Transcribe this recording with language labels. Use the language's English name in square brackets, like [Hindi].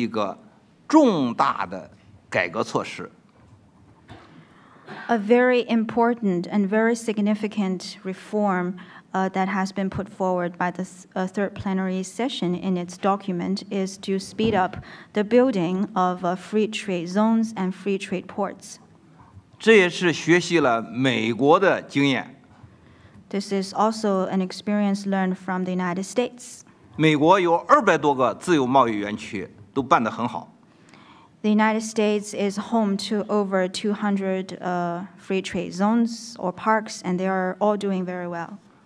[Chinese] 与这个三中全会的整个的改革计划有什么样的关系，它如何能够融入到新一轮的改革计划之中，并且这个上海自贸区有哪些具体的内容，与这个改革是有关系的，或者是有促进的。提出建立自由贸易园区和自由贸易港区是三中全会在对外决定方面的一个重大的改革措施。 [English] A very important and very significant reform that has been put forward by the third plenary session in its document is to speed up the building of free trade zones and free trade ports. [Chinese] 这也是学习了美国的经验。 [English] This is also an experience learned from the United States. [Chinese] 美国有200多个自由贸易园区，都办得很好。 [English] The United States is home to over 200 free trade zones or parks, and they are all doing very well.